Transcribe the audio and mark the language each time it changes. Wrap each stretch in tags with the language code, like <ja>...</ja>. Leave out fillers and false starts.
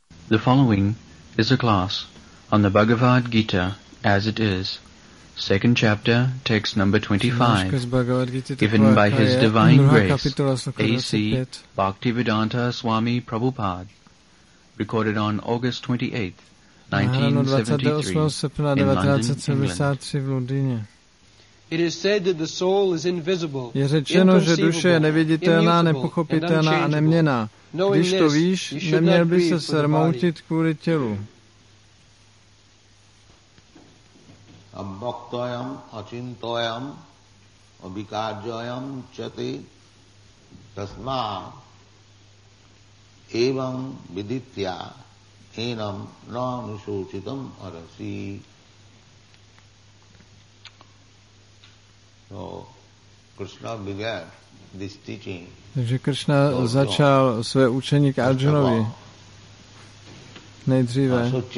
<en>The following is a class on the Bhagavad Gita as it is, second chapter, text number 25, given by His Divine Grace, A.C. Bhaktivedanta Swami Prabhupada, recorded on August 28, 1973, in London, England.</en> <cs>Je řečeno, že duše je neviditelná, nepochopitelná a neměnná. Když to víš, neměl by se srmoutit kvůli tělu.</cs> <sa>Abhaktayam, achintayam, abhikajayam, chati, tasma, evam, viditya, enam, nanushochitam, arasi.</sa> <en>So, Krishna began this teaching.</en> <cs>Takže Krishna začal své učení k Arjunovi nejdříve.</cs>